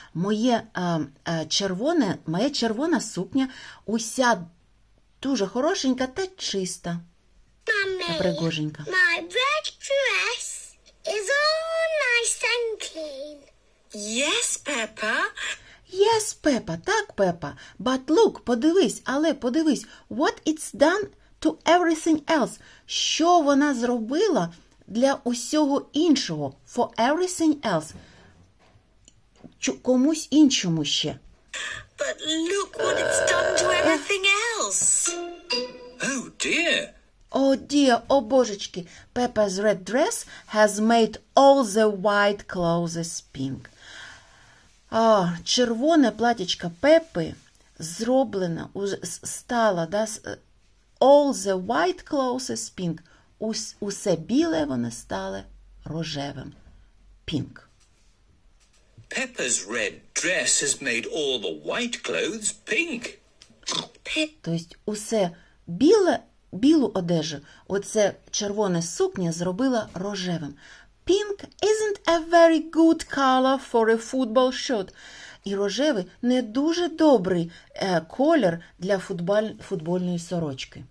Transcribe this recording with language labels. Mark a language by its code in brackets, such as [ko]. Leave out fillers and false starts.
[uk] Моє червоне, моя червона сукня уся дуже хорошенька та чиста. Мамі, [en] my red dress is all nice and clean. Yes, Peppa. Yes, Peppa. [uk] Так, [en] Peppa. But look, [uk] подивись, але подивись. [en] What it's done to everything else? [uk] Що вона зробила для усього іншого? [en] For everything else. [uk] Комусь іншому ще. [en] But look what it's done to everything else. Oh dear. Oh dear, oh [uk] божечки. [en] Peppa's red dress has made all the white clothes pink. [uk] Oh, червоне платічко Пеппи зроблено, стало, да, [en] all the white clothes pink. [uk] Усе біле вони стали рожевим. [en] Pink. Peppa's red dress has made all the white clothes pink. [uk] Тобто усе біле, білу одежу, оце червоне сукня зробила рожевим. [en] Pink isn't a very good color for a football shirt. [uk] І рожевий не дуже добрий колір для футбольної сорочки.